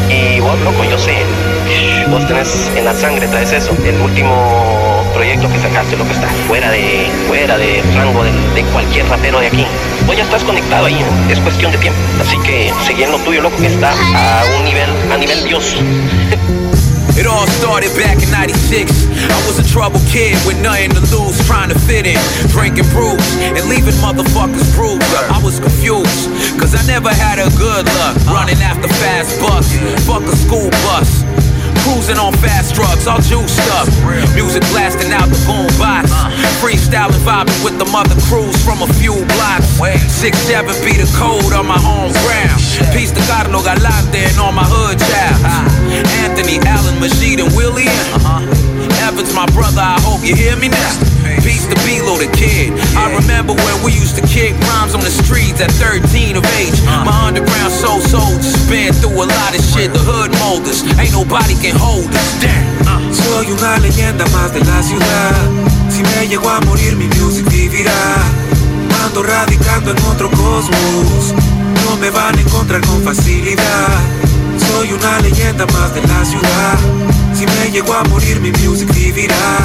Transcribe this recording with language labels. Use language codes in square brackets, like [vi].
[es] Y vos, loco, yo sé, vos tenés en la sangre, traes eso. El último proyecto que sacaste, lo que está fuera de rango de cualquier rapero de aquí. Vos ya estás conectado ahí, es cuestión de tiempo. Así que seguí en lo tuyo, loco, que está a nivel Dios. [en] It all started back in 96. I was a troubled kid with nothing to lose, trying to fit in, drinking brews and leaving motherfuckers bruised. I was confused, cause I never had a good luck, running after fast bucks, fuck a school bus, cruising on fast drugs, all juiced up, music blasting out the boombox, freestyling, vibing with the mother crews from a few blocks, 6-7 be the code on my home ground, peace to Carlo Galante and all my hood chaps, Anthony, Allen, Majid, and William, Evans, my brother, I hope you hear me now. Peace to B-Lo, the kid. I remember when we used to kick rhymes on the streets at 13 of age. My underground soul soldiers been through a lot of shit. The hood mold us, ain't nobody can hold us. [es] Soy una leyenda más de la ciudad. Si me llego a morir, mi music vivirá. Ando radicando en otro cosmos. No me van a encontrar con facilidad. Soy una leyenda más de la ciudad. Si me llego a morir, mi music vivirá.